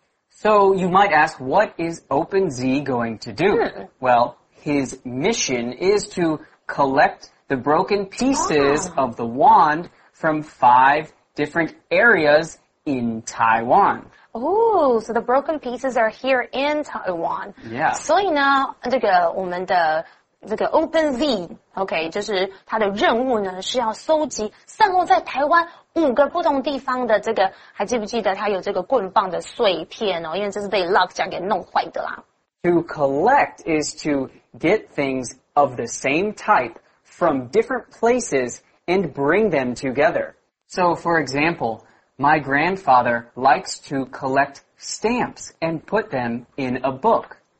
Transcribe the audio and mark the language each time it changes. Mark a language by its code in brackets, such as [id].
[en] So you might ask, what is OpenZ going to do?、 Hmm. Well, his mission is to collect the broken pieces、oh. of the wand from 5 different areas in Taiwan. Ooh, so the broken pieces are here in Taiwan. Yeah. [zh] 所以呢，这个我们的这个 OpenZ, OK, 就是它的任务呢是要搜集散落在台湾5个不同地方的这个，还记不记得它有这个棍棒的碎片哦？因为这是被 Luck 这样给弄坏的啦。 [en] To collect is to get things of the same type from different places and bring them together. So, for example,My grandfather likes to collect stamps and put them in a book.